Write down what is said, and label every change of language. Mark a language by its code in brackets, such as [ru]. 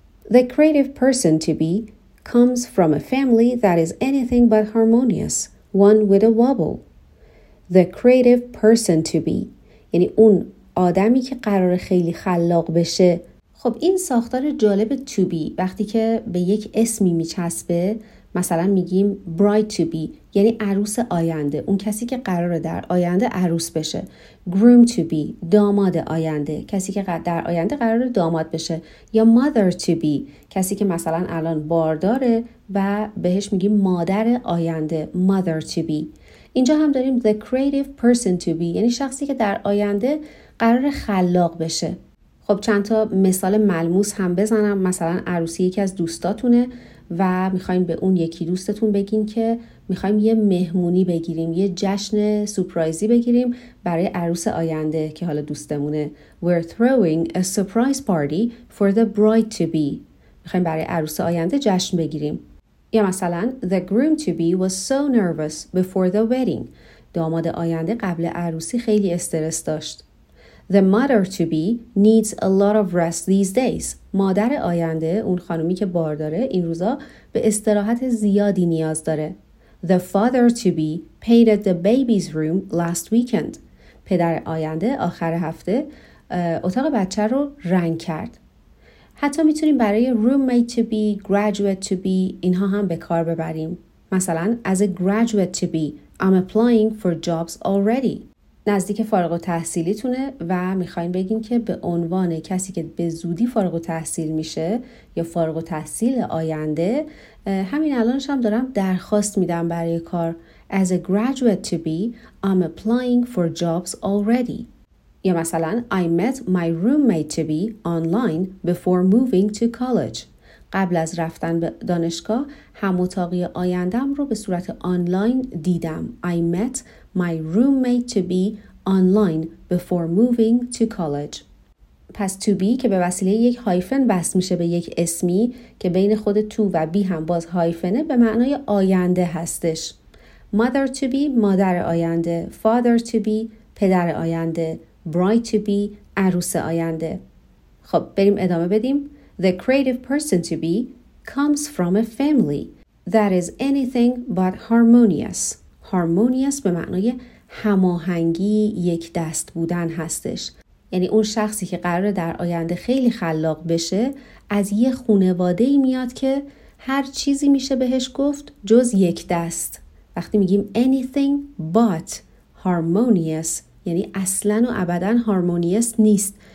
[en] The creative person to be comes from a family that is anything but harmonious, one with a wobble. The creative person to be. [fa] یعنی اون آدمی که قرار خیلی خلاق بشه. خب این ساختار جالب [en] to be، [fa] وقتی که به یک اسمی میچسبه، مثلا میگیم [en] bride to be، [fa] یعنی عروس آینده، اون کسی که قراره در آینده عروس بشه. [en] groom to be، [fa] داماد آینده، کسی که در آینده قراره داماد بشه. یا [en] mother to be، [fa] کسی که مثلا الان بارداره و بهش میگیم مادر آینده، mother to be. اینجا هم داریم [en] the creative person to be، [fa] یعنی شخصی که در آینده قراره خلاق بشه. خب چند تا مثال ملموس هم بزنم. مثلا عروسی یکی از دوستاتونه و میخواییم به اون یکی دوستتون بگین که میخواییم یه مهمونی بگیریم، یه جشن سپرایزی بگیریم برای عروس آینده که حالا دوستمونه. [en] We're throwing a surprise party for the bride to be. [fa] میخواییم برای عروس آینده جشن بگیریم. یا مثلا [en] The groom to be was so nervous before the wedding. [fa] داماد آینده قبل عروسی خیلی استرس داشت. [en] The mother to be needs a lot of rest these days. [fa] مادر آینده، اون خانومی که بارداره، این روزا به استراحت زیادی نیاز داره. [en] The father to be painted the baby's room last weekend. [fa] پدر آینده آخر هفته اتاق بچه رو رنگ کرد. حتی میتونیم برای [en] roommate to be، graduate to be، [fa] اینها هم به کار ببریم. مثلا [en] as a graduate to be I'm applying for jobs already. [fa] نزدیک فارغ التحصیلی تونه و میخواییم بگیم که به عنوان کسی که به زودی فارغ التحصیل میشه یا فارغ التحصیل آینده، همین الانش هم دارم درخواست میدم برای کار. [en] As a graduate to be, I'm applying for jobs already. یا مثلا I met my roommate to be online before moving to college. [fa] قبل از رفتن به دانشگاه هم اتاقی آیندم رو به صورت آنلاین دیدم. [en] I met my roommate to be online before moving to college. [fa] پس [en] to be [fa] که به وسیله یک هایفن وصل میشه به یک اسمی که بین خود to و be هم باز هایفنه به معنای آینده هستش. [en] Mother to be [fa] مادر آینده. [en] Father to be [fa] پدر آینده. [en] Bride to be [fa] عروس آینده. خب بریم ادامه بدیم. [en] The creative person to be comes from a family that is anything but harmonious. [fa] Harmonious به معنای هماهنگی یک دست بودن هستش. یعنی اون شخصی که قراره در آینده خیلی خلاق بشه از یه خانواده‌ای میاد که هر چیزی میشه بهش گفت جز یک دست. وقتی میگیم [en] anything but harmonious [fa] یعنی اصلا و ابدا harmonious نیست.